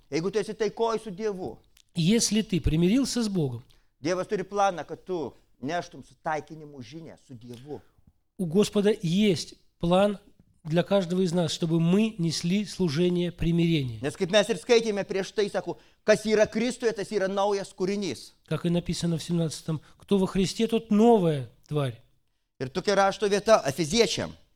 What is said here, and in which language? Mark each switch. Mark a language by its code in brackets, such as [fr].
[lt] Jeigu tu esi taikoj su Dievu. [ru] Если ты примирился с Богом. [lt] Dievas turi planą, kad tu neštum sutaikinimų žinę su Dievu. [ru] У Господа есть план для каждого из нас, чтобы мы несли служение примирения. [lt] Nes kaip mes ir skaitėme prieš tai, sakau, kas yra Kristuje, tas yra naujas kūrinys. [ru] Как и написано в 17-м, кто во Христе, тот новая тварь. [lt] Ir tokia rašto vieta Efeziečiam.